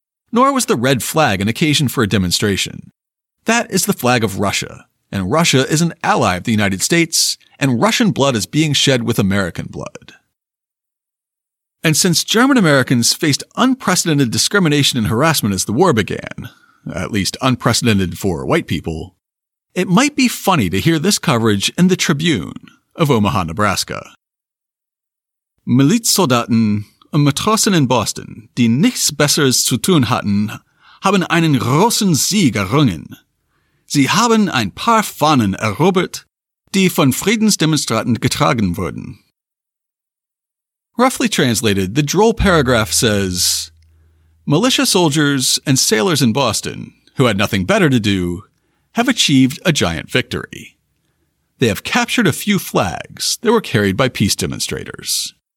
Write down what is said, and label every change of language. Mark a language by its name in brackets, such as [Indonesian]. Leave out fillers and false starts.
[English] Nor was the red flag an occasion for a demonstration. That is the flag of Russia, and Russia is an ally of the United States, and Russian blood is being shed with American blood. And since German Americans faced unprecedented discrimination and harassment as the war began, at least unprecedented for white people, it might be funny to hear this coverage in the Tribune of Omaha, Nebraska. [German] Milizsoldaten und Matrosen in Boston, die nichts Besseres zu tun hatten, haben einen großen Sieg errungen. Sie haben ein paar Fahnen erobert, die von Friedensdemonstranten getragen wurden. [English] Roughly translated, the droll paragraph says, militia soldiers and sailors in Boston, who had nothing better to do, have achieved a giant victory. They have captured a few flags that were carried by peace demonstrators.